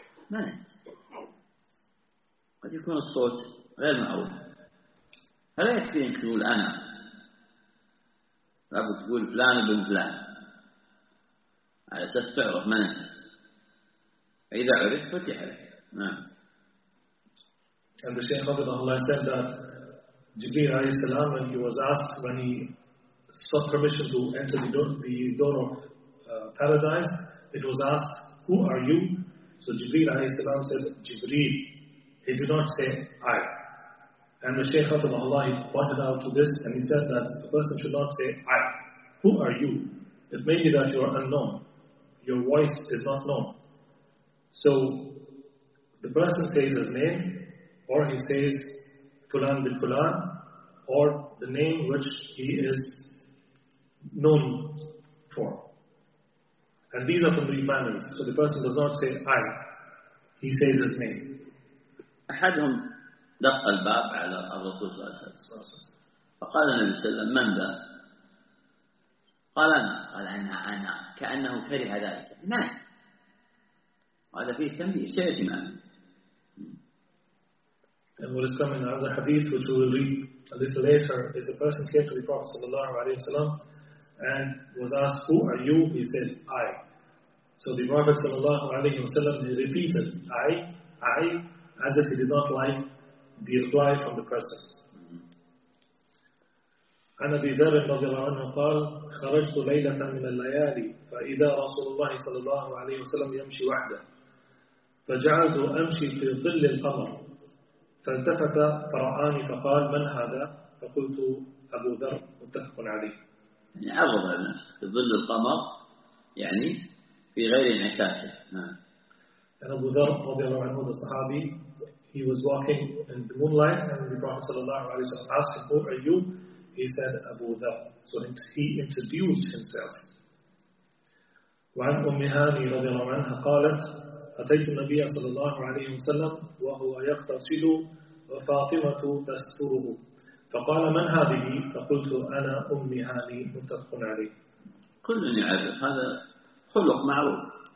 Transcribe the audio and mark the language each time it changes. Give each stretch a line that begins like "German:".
Arabic: من قد يكون الصوت غير معروف، هل يكفي أن تقول أنا؟ رب تقول فلان بن فلان على أساس تعرف من أنت، فإذا عرفت فتح لك. نعم.
English: And the Shaykh Hafidhahullah Allah said that Jibreel
Arabic: alayhi salam,
English: when he was asked, when he sought permission to enter the door of paradise, it was asked, who are you? So Jibreel
Arabic: alayhi salam
English: said, Jibreel. He did not say, I. And the Shaykh Hafidhahullah Allah, he pointed out to this, and he said that a person should not say, I. Who are you? It may be that you are unknown. Your voice is not known. So the person says his name, or he says Fulan bin Fulan, or the name which he is known for. And these are from the manners. So the person does not say I, he says his name.
Arabic: أحدهم دق الباب على الرسول صلى الله عليه وسلم فقال النبي صلى الله عليه وسلم من ذا؟ قال أنا. قال أنا أنا، كأنه كره ذلك. من؟ هذا فيه تنبيه شيء إيمان.
English: And what is coming in another hadith, which we will read a little later, is a person came to the Prophet
Arabic: sallallahu alaihi wasallam
English: and was asked, who are you? He said, I. So the Prophet
Arabic: sallallahu alaihi wasallam,
English: he repeated, I, as if he did not like the reply from the person.
Arabic: عن أبي ذر رضي الله عنه قال: خرجت ليلة من الليالي فإذا رسول الله صلى الله عليه وسلم يمشي وحده، فجعلت أمشي في ظل القمر، فالتفت فرآني فقال: من هذا؟ فقلت: أبو ذر. متفق عليه. يعني عرض الناس في ظل القمر، يعني في غير انعكاسه.
English: And Abu Dharr
Arabic: رضي الله عنه
English: the Sahabi, he was walking in the moonlight and the Prophet
Arabic: صلى الله عليه وسلم
English: asked him, who are you? He said, Abu Dharr. So he introduced himself.
Arabic: وعن أم هاني رضي الله عنها قالت: أتيت النبي صلى الله عليه وسلم وهو يغتسل وفاطمة تستره، فقال: من هذه؟ فقلت: أنا أم هاني. متفق عليه. كل يعرف، هذا خلق معروف.